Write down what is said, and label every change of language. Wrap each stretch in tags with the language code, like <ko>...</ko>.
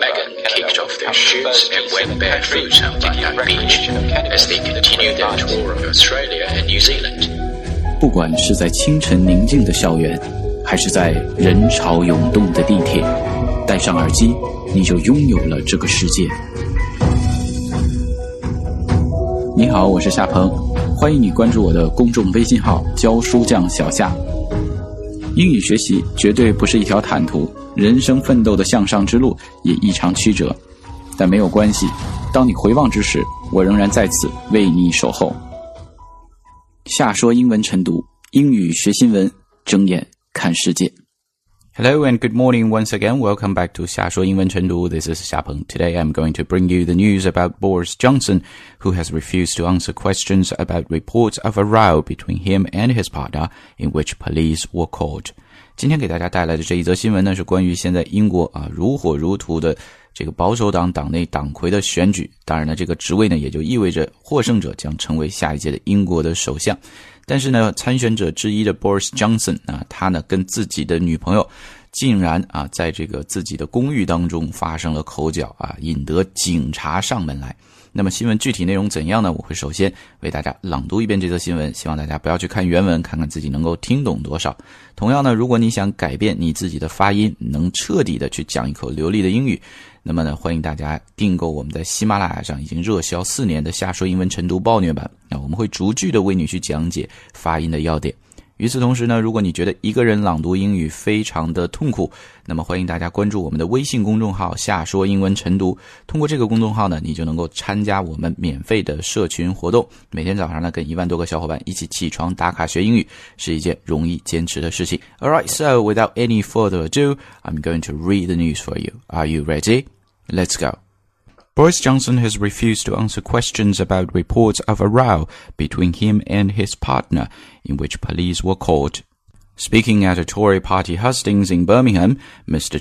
<en>Megan kicked off their shoots and went barefoot on Bundang Beach as they continued their tour of Australia and New Zealand.</en> <zh>不管是在清晨宁静的校园，还是在人潮涌动的地铁，戴上耳机，你就拥有了这个世界。你好，我是夏鹏，欢迎你关注我的公众微信号教书匠小夏。英语学习绝对不是一条坦途，人生奋斗的向上之路也异常曲折，但没有关系，当你回望之时，我仍然在此为你守候。夏说英文晨读，英语学新闻，睁眼看世界。</zh> <en>Hello and good morning once again. Welcome back to 夏说英文晨读.This is 夏鹏. Today I'm going to bring you the news about Boris Johnson, who has refused to answer questions about reports of a row between him and his partner in which police were called.</en> <zh>今天给大家带来的这一则新闻呢，是关于现在英国啊如火如荼的这个保守党党内党魁的选举。当然呢，这个职位呢也就意味着获胜者将成为下一届的英国的首相。但是呢，参选者之一的 Boris Johnson 啊，他呢跟自己的女朋友竟然啊在这个自己的公寓当中发生了口角啊，引得警察上门来。那么新闻具体内容怎样呢？我会首先为大家朗读一遍这则新闻，希望大家不要去看原文，看看自己能够听懂多少。同样呢，如果你想改变你自己的发音，能彻底的去讲一口流利的英语，那么呢，欢迎大家订购我们在喜马拉雅上已经热销四年的夏说英文晨读暴虐版。那我们会逐句的为你去讲解发音的要点。与此同时呢，如果你觉得一个人朗读英语非常的痛苦，那么欢迎大家关注我们的微信公众号夏说英文晨读。通过这个公众号呢，你就能够参加我们免费的社群活动，每天早上呢跟10000多个小伙伴一起起床打卡学英语，是一件容易坚持的事情。</zh> <en>Alright, so without any further ado, I'm going to read the news for you. Are you ready? Let's go. Boris Johnson has refused to answer questions about reports of a row between him and his partner, in which police were called. Speaking at a Tory party hustings in Birmingham, Mr.</en>